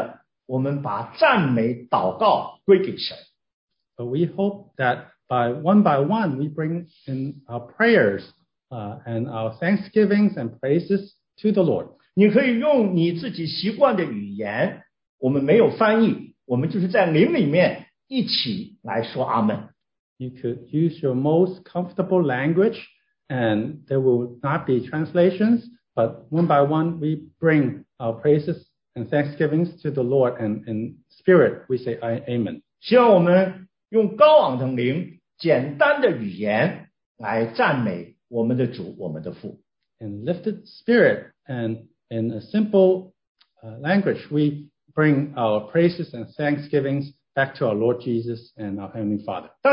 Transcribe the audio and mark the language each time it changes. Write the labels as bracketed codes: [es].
[zh] 但是希望弟兄姊妹能够抓紧时间，一个一个的，我们把赞美祷告归给神。 [en] But we hope that by one we bring in our prayers and our thanksgivings and praises to the Lord. [zh] 你可以用你自己习惯的语言，我们没有翻译，我们就是在灵里面一起来说阿们。 [en] You could use your most comfortable language and there will not be translations, but one by one we bring our praises and thanksgivings to the Lord and in spirit we say Amen. [zh] 用高昂的灵，简单的语言来赞美我们的主，我们的父。 [en] In lifted spirit and in a simple language, we bring our praises and thanksgivings back to our Lord Jesus and our Heavenly Father.